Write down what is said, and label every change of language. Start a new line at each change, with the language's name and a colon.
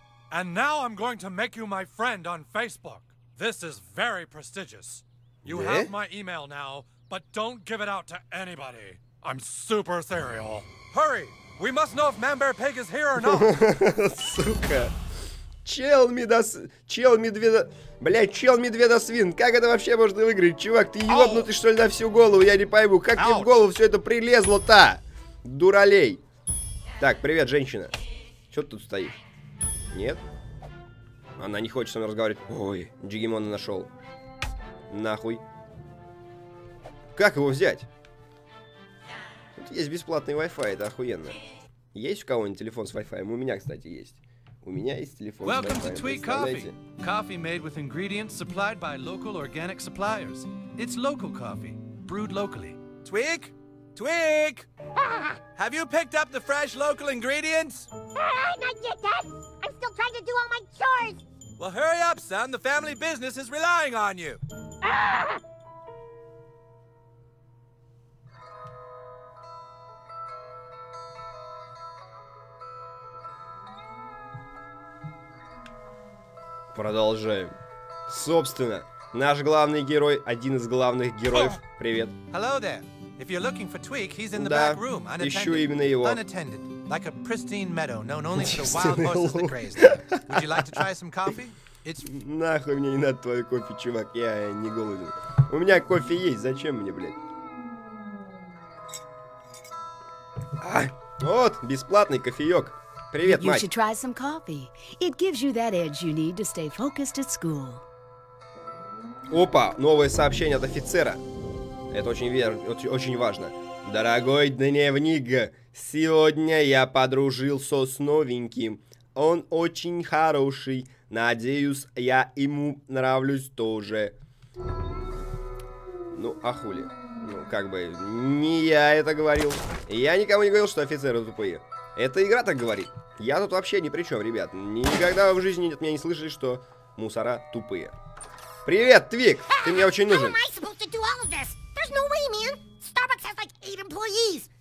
English: And now I'm going to make you my friend on Facebook. This is very prestigious. You have my email now, but don't give it out to anybody. I'm super serial. Hurry! We must know if Man-Bear Pig is here or not.
Russian: Сука. Чел медос... Чел медведо... Блядь, чел медведосвин, как это вообще можно выиграть? Чувак, ты ебнутый, что ли, на всю голову, я не пойму. Как тебе в голову все это прилезло-то? Дуралей. Так, привет, женщина. Чё ты тут стоишь? Нет? Она не хочет со мной разговаривать. Ой, Джигимона нашел. Нахуй. Как его взять? Тут есть бесплатный Wi-Fi, это охуенно. Есть у кого-нибудь телефон с Wi-Fi? У меня, кстати, есть. У меня есть телефон.
English: Welcome to Tweet Coffee. Coffee made with ingredients supplied by local organic suppliers. It's local coffee, brewed locally. Tweak? Tweak? Have you picked up the fresh local ingredients? Not yet, Dad. I'm still trying to do all my chores. Well, hurry up, son. The family business is relying on you.
Russian: Продолжаем. Собственно, наш главный герой, один из главных героев. Привет.
English: Hello there. If you're looking for Tweak, he's in the back room, unattended.
Russian: Ищу именно его.
English: Unattended, like a pristine meadow known only for the wild horses that graze there. Would you like to try some coffee? It's...
Russian: Нахуй мне не надо твой кофе, чувак. Я не голоден. У меня кофе есть. Зачем мне, блядь? Вот бесплатный кофеёк. Привет,
English: you should try some coffee. It gives you that edge you need to stay focused at school.
Russian: Опа, новое сообщение от офицера. Это очень верно, очень важно. Дорогой дневник, сегодня я подружился с новеньким. Он очень хороший. Надеюсь, я ему нравлюсь тоже. Ну, а хули? Ну, как бы, не я это говорил. Я никому не говорил, что офицеры тупые. Эта игра так говорит. Я тут вообще ни при чем, ребят. Никогда в жизни от меня не слышали, что мусора тупые. Привет, Твик! Ты мне очень нужен.
English: How am I supposed to do all of this? There's no way, man. Starbucks has like 8 employees.